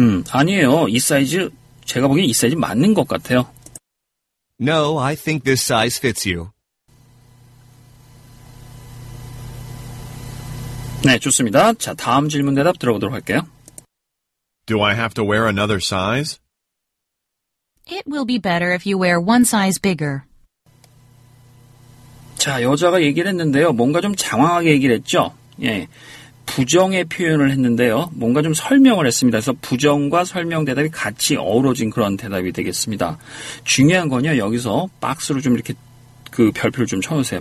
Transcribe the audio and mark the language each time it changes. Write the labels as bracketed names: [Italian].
[Korean] 아니에요. 이 사이즈, 제가 보기엔 이 사이즈 맞는 것 같아요. [English] No, I think this size fits you. [Korean] 네, 좋습니다. 자, 다음 질문 대답 들어보도록 할게요. [English] Do I have to wear another size? It will be better if you wear one size bigger. [Korean] 자, 여자가 얘기를 했는데요. 뭔가 좀 장황하게 얘기를 했죠? 예. 부정의 표현을 했는데요. 뭔가 좀 설명을 했습니다. 그래서 부정과 설명 대답이 같이 어우러진 그런 대답이 되겠습니다. 중요한 건요. 여기서 박스로 좀 이렇게 그 별표를 좀 쳐놓으세요.